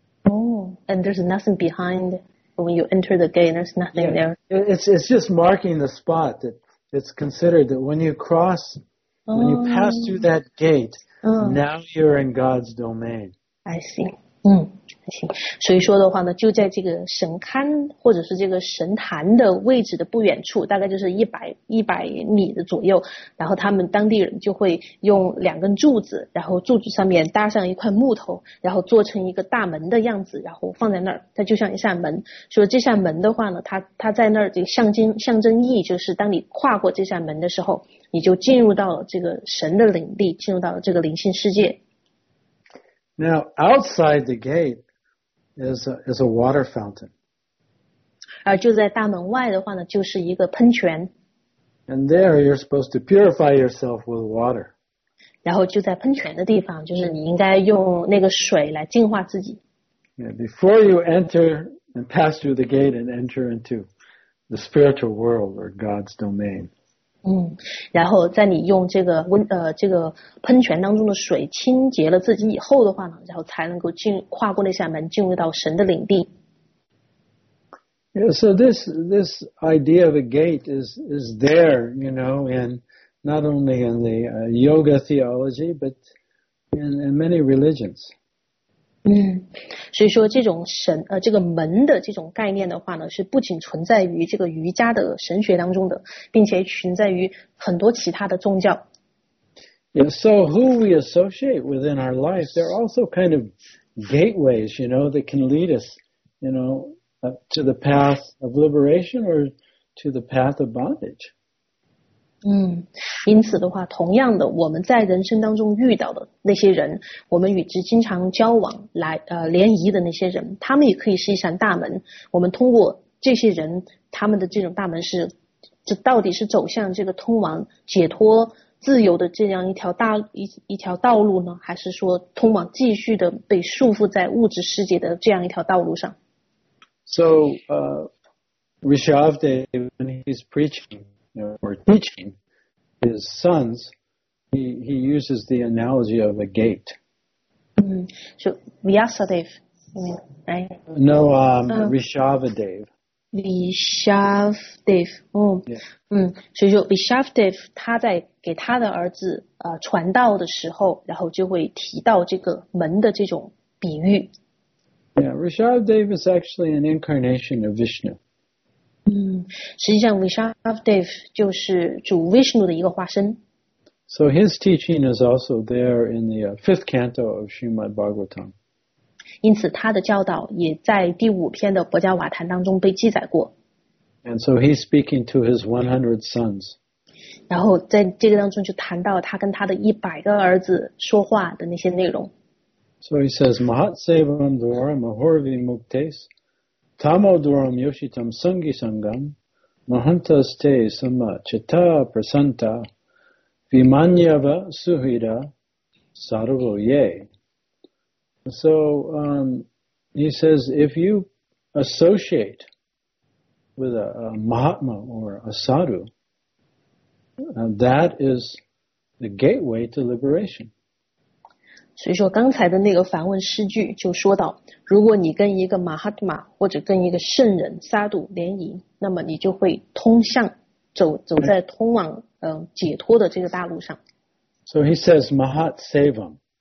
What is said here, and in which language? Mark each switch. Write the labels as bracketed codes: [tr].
[en] Oh, and there's nothing behind when you enter the gate. There's nothing there. It's just marking the spot that it's considered that when you cross, when you pass through that gate, now you're in God's domain. I see. [zh] 嗯，行。所以说的话呢，就在这个神龛或者是这个神坛的位置的不远处，大概就是100米的左右。然后他们当地人就会用两根柱子，然后柱子上面搭上一块木头，然后做成一个大门的样子，然后放在那儿，它就像一扇门。所以这扇门的话呢，它在那儿这个象征意义就是，当你跨过这扇门的时候，你就进入到了这个神的领地，进入到了这个灵性世界。 [en] Now, outside the gate is a water fountain. [zh] 而就在大门外的话呢，就是一个喷泉。 [en] And there you're supposed to purify yourself with water. [zh] 然后就在喷泉的地方，就是你应该用那个水来净化自己。 [en] Yeah, before you enter and pass through the gate and enter into the spiritual world or God's domain. [zh] 然后在你用这个温这个喷泉当中的水清洁了自己以后的话呢，然后才能够进跨过那扇门，进入到神的领地。 [en] Yeah, so this idea of a gate is there, you know, in not only in the yoga theology, but in many religions. [zh] 所以说这种神这个门的这种概念的话呢，是不仅存在于这个瑜伽的神学当中的，并且存在于很多其他的宗教。 [en] Yeah, so who we associate within our life, they're also kind of gateways, you know, that can lead us, you know,to the path of liberation or to the path of bondage. [zh] 因此的话，同样的，我们在人生当中遇到的那些人，我们与之经常交往来联谊的那些人，他们也可以是一扇大门。我们通过这些人，他们的这种大门是，这到底是走向这个通往解脱自由的这样一条道路呢，还是说通往继续的被束缚在物质世界的这样一条道路上？ [en] So, Rishabhdev, when he's preaching, you know, or teaching his sons, he uses the analogy of a gate. So, Vyasadev, right? No, Rishabhdev. Rishabhdev, yeah. [zh] 所以说 Rishabhdev 他在给他的儿子传道的时候，然后就会提到这个门的这种比喻。 [en] Yeah, Rishabhdev is actually an incarnation of Vishnu. [zh] 实际上 Rishabhdev 就是主 Vishnu 的一个化身。 [en] So his teaching is also there in the fifth canto of Srimad Bhagavatam. [zh] 因此他的教导也在第五篇的《薄伽瓦坛》当中被记载过。 [en] And so he's speaking to his 100 sons. [zh] 然后在这个当中就谈到他跟他的100个儿子说话的那些内容。 [en] So he says, [sa] Mahatsevam Dwaram Ahurvi Muktes, Tamo Dwaram Yoshitam Sangi Sangam, Mahantas Te Sama Chitta Prasanta, Vimanyava Suhida Sarvo Ye. [en] So he says, if you associate with a Mahatma or a Sadhu, that is the gateway to liberation. [zh] 所以说刚才的那个梵文诗句就说到，如果你跟一个马哈特玛或者跟一个圣人萨杜联谊，那么你就会通向走在通往解脱的这个大路上。 [en] So he says Mahat Sevam.